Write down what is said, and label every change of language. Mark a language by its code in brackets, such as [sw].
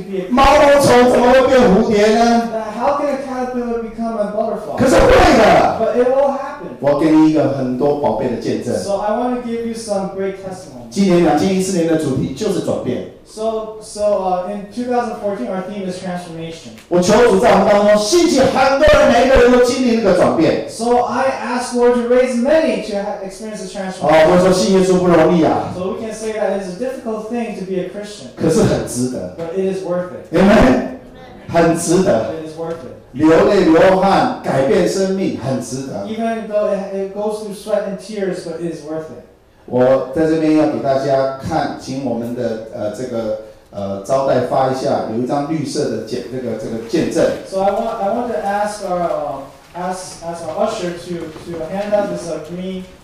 [zh] 毛毛虫怎么会变蝴蝶呢？ [en] How can a caterpillar become a butterfly? [zh] 可是会的。 [en] But it will happen. [zh] 我给你一个很多宝贝的见证。 [en] So I want to give you some great testimony. [zh] 今年2014年的主题就是转变。 [en] So in 2014 our theme is transformation. [zh] 我求主在我们当中兴起很多人，每一个人都经历那个转变。 [en] So I ask Lord to raise many to experience the transformation. [zh] 哦，我说信耶稣不容易啊。 [en] So we can say that it's a difficult thing to be a Christian. [zh] 可是很值得。 [en] But it is worth it. [zh] Amen. 很值得。流泪流汗改变生命，很值得。 [en] Even though it goes through sweat and tears, but it is worth it. [zh] 我在这边要给大家看，请我们的招待发一下，有一张绿色的见证。 [en] So I want to ask our usher to hand out this green.